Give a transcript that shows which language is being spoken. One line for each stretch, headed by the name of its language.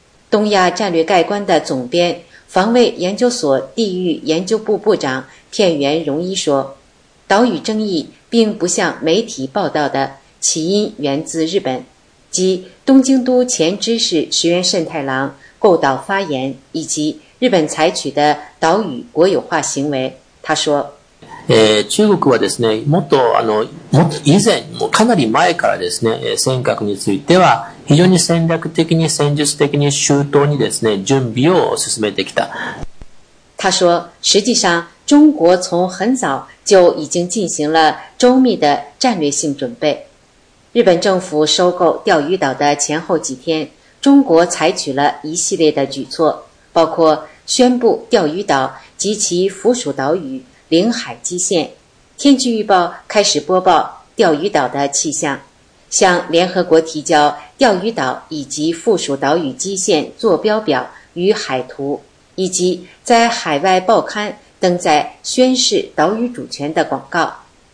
Chinese: 东亚战略概观的总编、防卫研究所地域研究部部长片原荣一说，岛屿争议并不像媒体报道的，起因源自日本，即东京都前知事石原慎太郎购岛发言以及日本采取的岛屿国有化行为。他说，
Japanese: 中国はですね、もっと以前、もかなり前からですね、尖閣については非常に戦略的に戦術的に周到にですね、準備を進めてきた。
Chinese: 他说，实际上中国从很早就已经进行了周密的战略性准备。日本政府收购钓鱼岛的前后几天，中国采取了一系列的举措，包括宣布钓鱼岛及其附属岛屿领海基线，天气预报开始播报钓鱼岛的气象，向联合国提交钓鱼岛以及附属岛屿基线坐标表与海图，以及在海外报刊登载宣示岛屿主权的广告。